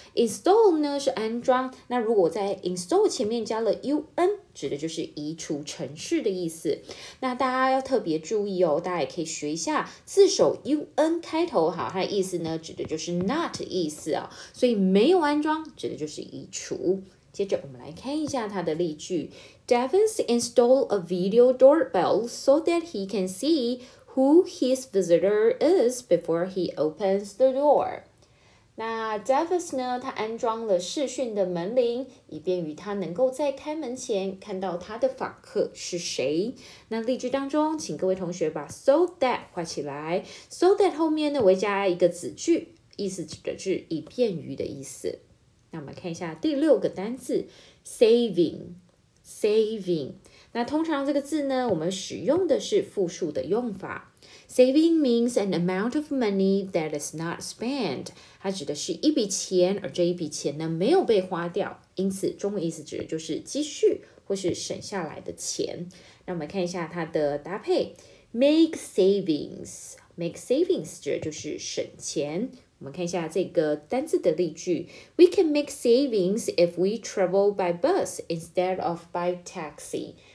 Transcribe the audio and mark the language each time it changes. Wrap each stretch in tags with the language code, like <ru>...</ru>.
<zh>Install 呢是安装，那如果在 install 前面加了 un， 指的就是移除程序的意思。那大家要特别注意哦，大家也可以学一下字首 un 开头，好，它的意思呢指的就是 not 意思哦，所以没有安装指的就是移除。接着我们来看一下它的例句，</zh> <en>Davis installed a video doorbell so that he can see who his visitor is before he opens the door.</en> <zh>那 Davis 呢，他安装了视讯的门铃，以便于他能够在开门前看到他的访客是谁。那例句当中，请各位同学把 so that 画起来， so that 后面呢，我加一个子句，意思指的是以便于的意思。那我们看一下第六个单字 saving。那通常这个字呢，我们使用的是复数的用法。</zh> <en>Saving means an amount of money that is not spent.</en> <zh>它指的是一笔钱，而这一笔钱呢没有被花掉。因此，中文意思指的就是积蓄或是省下来的钱。那我们看一下它的搭配 ，make savings。</zh> <en>make savings</en> <zh>指的就是省钱。我们看一下这个单字的例句</zh> <en>，We can make savings if we travel by bus instead of by taxi.</en>